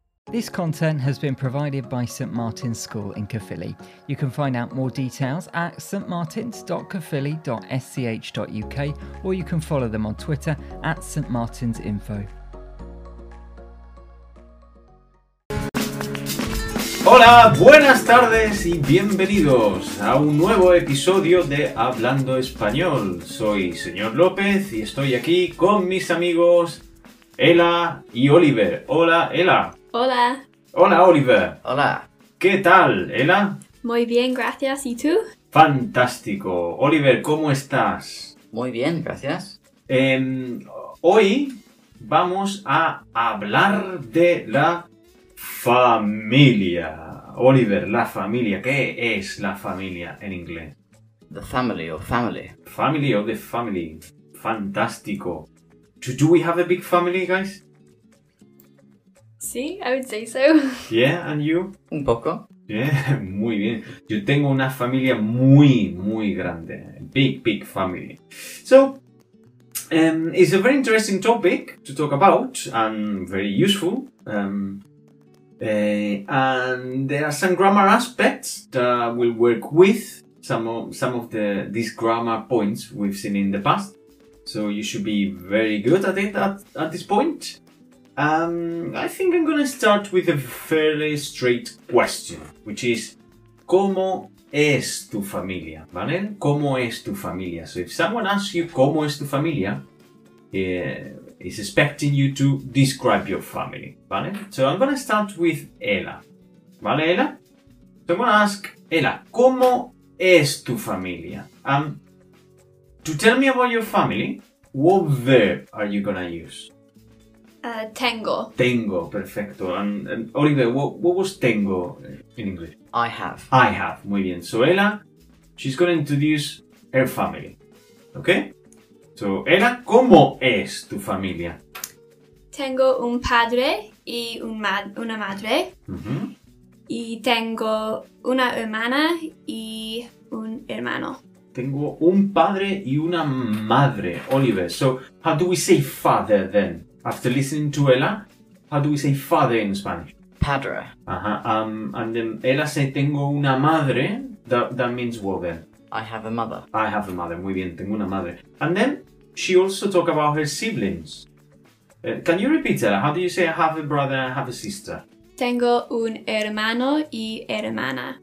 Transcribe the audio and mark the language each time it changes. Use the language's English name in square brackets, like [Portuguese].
[English] This content has been provided by St Martin's School in Caerphilly. You can find out more details at stmartins.caerphilly.sch.uk or you can follow them on Twitter at St Martin's Info. [Spanish] Hola, buenas tardes y bienvenidos a un nuevo episodio de Hablando Español. Soy señor López y estoy aquí con mis amigos Ela y Oliver. Hola, Ela. Hola. Hola, Oliver. Hola. ¿Qué tal, Ela? Muy bien, gracias. ¿Y tú? Fantástico. Oliver, ¿cómo estás? Muy bien, gracias. Hoy vamos a hablar de la familia. Oliver, la familia. ¿Qué es la familia en inglés? [English] The family or family. Family or the family. Fantástico. Do we have a big family, guys? Sí, I would say so. Yeah, and you? [Spanish] Un poco. Yeah, muy bien. Yo tengo una familia muy, muy grande. [English] Big, big family. So, it's a very interesting topic to talk about and very useful. And there are some grammar aspects that we'll work with, some of these grammar points we've seen in the past. So you should be very good at it at this point. I think I'm going to start with a fairly straight question, which is, [Spanish] ¿cómo es tu familia? ¿Vale? ¿Cómo es tu familia? [English] So if someone asks you, [Spanish] ¿cómo es tu familia? [English] Is expecting you to describe your family, ¿vale? So I'm going to start with Ela, ¿vale, Ela? So I'm going to ask Ela, [Spanish] ¿cómo es tu familia? [English] To tell me about your family, what verb are you going to use? [Spanish] Tengo. Tengo, perfecto. [English] And Oliver, what was tengo in English? I have. I have, [Spanish] muy bien. [English] So Ela, she's going to introduce her family, okay? [Spanish] So, Ela, ¿cómo es tu familia? Tengo un padre y una madre. Uh-huh. Y tengo una hermana y un hermano. Tengo un padre y una madre, Oliver. [English] So, how do we say father then? After listening to Ela, how do we say father in Spanish? [Spanish] Padre. [English] Uh-huh. And then Ela said, [Spanish] tengo una madre. [English] That means what then? I have a mother. I have a mother. [Spanish] Muy bien, tengo una madre. [English] And then she also talked about her siblings. Can you repeat that? How do you say I have a brother and I have a sister? [Spanish] Tengo un hermano y hermana.